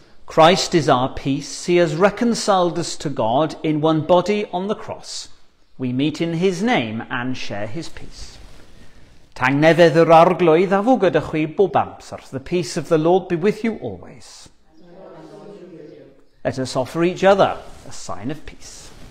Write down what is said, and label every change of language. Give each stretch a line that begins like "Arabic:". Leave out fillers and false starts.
English: Christ is our peace. He has reconciled us to God in one body on the cross. We meet in his name and share his peace.
Welsh: Tang nefedd yr arglwydd a fo gyda chi bob amser.
English: The peace of the Lord be with you always. Let us offer each other a sign of peace.